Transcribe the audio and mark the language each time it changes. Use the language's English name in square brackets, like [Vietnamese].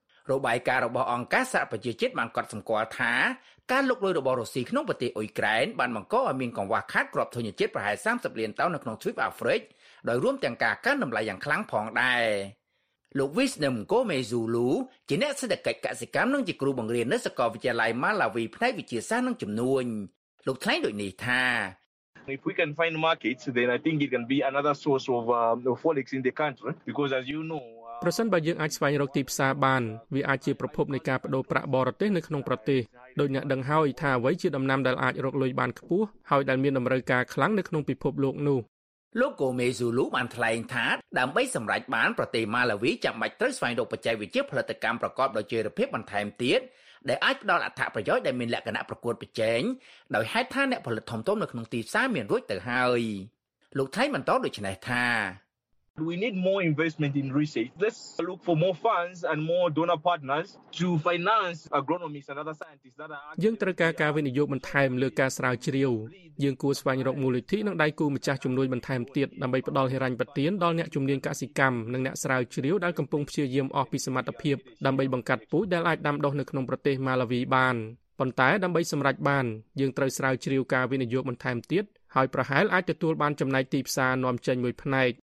[Khmer] របាយការណ៍របស់អង្គការសហប្រជាជាតិបានកត់សម្គាល់ថាការលុកលុយរបស់រុស្ស៊ីក្នុងប្រទេសអ៊ុយក្រែនបានបង្កឲ្យមានកង្វះខាតគ្រាប់ធញ្ញជាតិប្រហែល30លានតោននៅក្នុងទ្វីបអាហ្វ្រិកដោយរួមទាំងការកើនតម្លៃយ៉ាងខ្លាំងផងដែរលោកវីសណឹមកូមេស៊ូលូជាអ្នកសេដ្ឋកិច្ចកសិកម្មនិងជាគ្រូបង្រៀននៅសាកលវិទ្យាល័យម៉ាឡាវីផ្នែកវិទ្យាសាស្ត្រនិងជំនួញលោកថ្លែងដូចនេះថា [English] If we can find markets, then I think it can be another source of forex in the country. Because as you know, [Khmer] ប្រសិនបើយើងអាចស្វែងរកទីផ្សារបានវាអាចជាប្រភពនៃការប្តូរប្រាក់បរទេសនៅក្នុងប្រទេសដោយអ្នកដឹងហើយថាអ្វីជាដំណាំដែលអាចរកលុយបានខ្ពស់ហើយដែលមានតម្រូវការខ្លាំងនៅក្នុងពិភពលោកនោះ លោកកូមេស៊ូលូបានថ្លែងថាដើម្បីសម្រេចបានប្រទេសម៉ាឡាវីចាំបាច់ត្រូវស្វែងរកបច្ចេកវិទ្យាផលិតកម្មប្រកបដោយចីរភាពបន្ថែមទៀតដែលអាចផ្ដល់អត្ថប្រយោជន៍ដែលមានលក្ខណៈប្រកួតប្រជែងដោយហេតុថាអ្នកផលិតធំៗនៅក្នុងទីផ្សារមានរួចទៅហើយលោកថៃបន្តដូចនេះថា [English] We need more investment in research. Let's look for more funds and more donor partners to finance agronomists and other scientists that are. [Khmer] យើងត្រូវការការវិនិយោគបន្ថែមលើការស្រាវជ្រាវយើងគួរស្វែងរកមូលនិធិនិងដៃគូម្ចាស់ជំនួយបន្ថែមទៀតដើម្បីផ្តល់ហិរញ្ញប្បទានដល់អ្នកជំនាញកសិកម្មនិងអ្នកស្រាវជ្រាវដែលកំពុងព្យាយាមអស់ពីសមត្ថភាពដើម្បីបង្កាត់ពូជដែលអាចដាំដុះនៅក្នុងប្រទេសម៉ាឡាវីបានប៉ុន្តែដើម្បីសម្រេចបានយើងត្រូវស្រាវជ្រាវការវិនិយោគបន្ថែមទៀតហើយប្រហែលអាចទទួលបានចំណែកទីផ្សារនាំចេញមួយផ្នែក